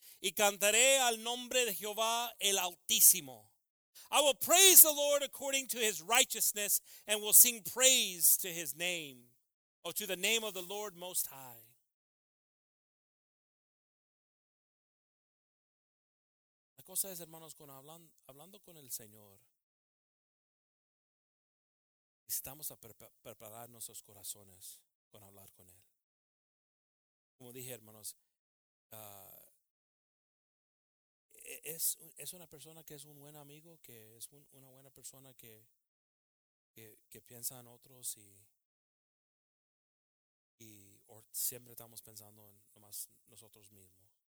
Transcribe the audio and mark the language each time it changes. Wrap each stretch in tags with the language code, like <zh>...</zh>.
<es>Y cantaré al nombre de Jehová el Altísimo.</es> <en>I will praise the Lord according to his righteousness and will sing praise to his name, or to the name of the Lord Most High.</en> <es>La cosa es, hermanos, con hablando con el Señor, necesitamos a preparar nuestros corazones con hablar con él. Como dije, hermanos, Es una persona que es un buen amigo, que es una buena persona que piensa en otros y siempre estamos pensando en nomás nosotros mismos.</es>